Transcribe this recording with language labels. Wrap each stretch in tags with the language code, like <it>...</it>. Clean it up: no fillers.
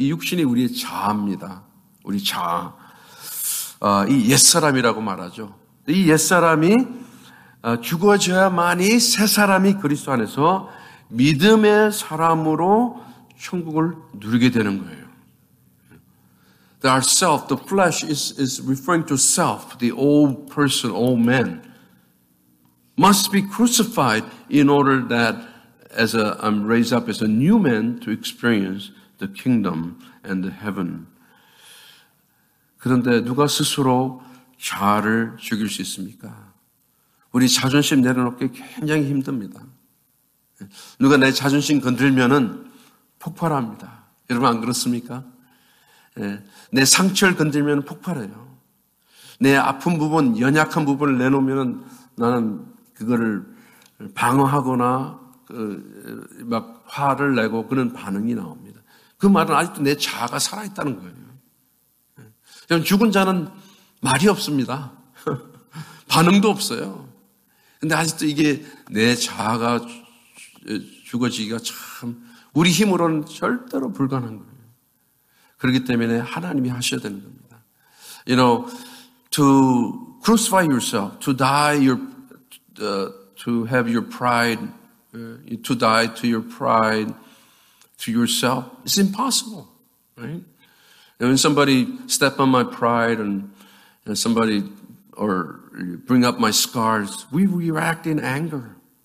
<ko>이 육신이 우리의 자아입니다. 우리 자아. 이 옛사람이라고 말하죠. 이 옛사람이 죽어져야만이 새 사람이 그리스도 안에서 믿음의 사람으로 천국을 누리게 되는 거예요.</ko> <en>The ourself, the flesh is referring to self, the old person, old man, must be crucified in order that as a, I'm raised up as a new man to experience the kingdom and the heaven.</en> <ko>그런데 누가 스스로 자아를 죽일 수 있습니까? 우리 자존심 내려놓기 굉장히 힘듭니다. 누가 내 자존심 건들면은 폭발합니다. 여러분 안 그렇습니까? 내 상처를 건들면 폭발해요. 내 아픈 부분, 연약한 부분을 내놓으면은 나는 그거를 방어하거나 막 화를 내고 그런 반응이 나옵니다. 그 말은 아직도 내 자아가 살아있다는 거예요. 그럼 죽은 자는 말이 없습니다. 반응도 없어요. 근데 아직도 이게 내 자아가 죽어지기가 참 우리 힘으로는 절대로 불가능한 거예요. 그렇기 때문에 하나님이 하셔야 되는 겁니다.</ko> <en>You know, to crucify yourself, to die your, to have your pride, to die to your pride, to yourself, it's impossible, right? When somebody step on my pride and somebody or bring up my scars, we react in anger.</en>